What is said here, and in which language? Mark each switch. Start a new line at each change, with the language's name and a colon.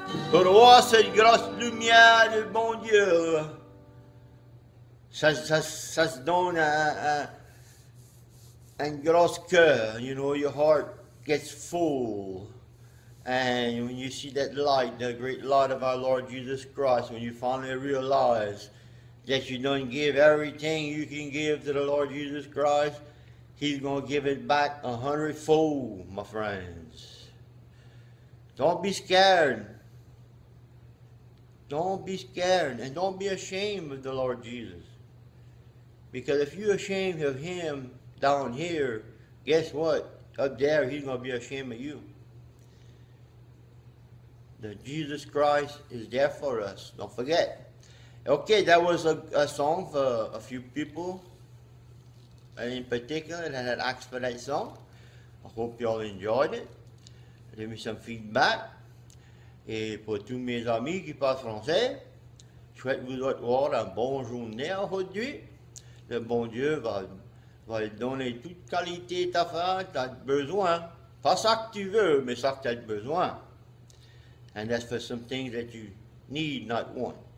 French: Pour voir cette grosse lumière du bon Dieu. Ça se donne un gros cœur,
English: you know, your heart gets full, and when you see that light, the great light of our Lord Jesus Christ, when you finally realize that you don't give everything you can give to the Lord Jesus Christ, he's going to give it back 100-fold, my friends. Don't be scared. Don't be scared, and don't be ashamed of the Lord Jesus. Because if you're ashamed of him down here, guess what? Up there, he's going to be ashamed of you. That Jesus Christ is there for us. Don't forget. Okay, that was a song for a few people. And in particular, that had asked for that song. I hope y'all enjoyed it. Give me some feedback.
French: Et pour tous mes amis qui parlent français, je souhaite vous avoir un bon journée aujourd'hui. Le bon Dieu va donner toute qualité ta femme, t'as besoin. pas ça que tu veux, mais ça que tu as besoin.
English: And that's for some things that you need, not want.